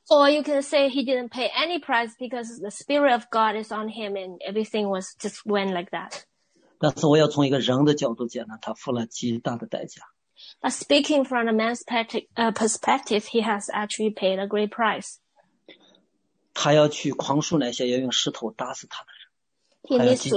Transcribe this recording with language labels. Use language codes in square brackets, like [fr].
[en] Or you can say he didn't pay any price because the spirit of God is on him and everything was just went like that. [zh] 但是我要从一个人的角度讲呢，他付了极大的代价。 [en] But speaking from a man's perspective, he has actually paid a great price. [zh] 他要去狂恕那些要用石头打死他的人，